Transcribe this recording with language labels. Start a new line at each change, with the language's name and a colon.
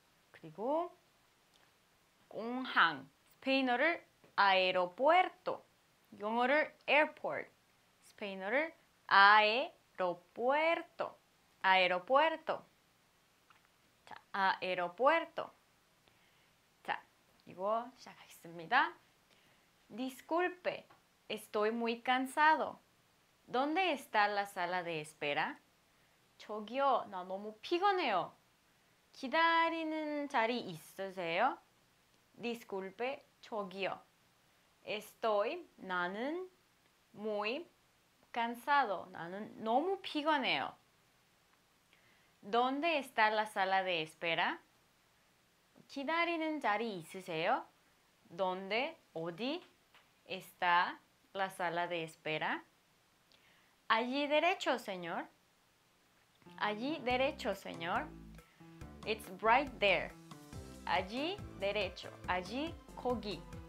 Korean: 그리고 공항, 스페인어를 aeropuerto, 영어를 airport, 스페인어를 aeropuerto, aeropuerto, 자, aeropuerto. 이거 시작하겠습니다.
Spanish: Disculpe, estoy muy cansado. ¿Dónde está la sala de espera?
Korean: 저기요, 나 너무 피곤해요. 기다리는 자리 있으세요?
Spanish: Disculpe, 저기요. Estoy, 나는 muy cansado.
Korean: 나는 너무 피곤해요.
Spanish: ¿Dónde está la sala de espera?
Korean: 기다리는 자리 있으세요?
Spanish: ¿Dónde, 어디 está la sala de espera? Allí derecho, señor. Allí derecho, señor.
English: It's right there.
Spanish: Allí derecho. Allí 거기.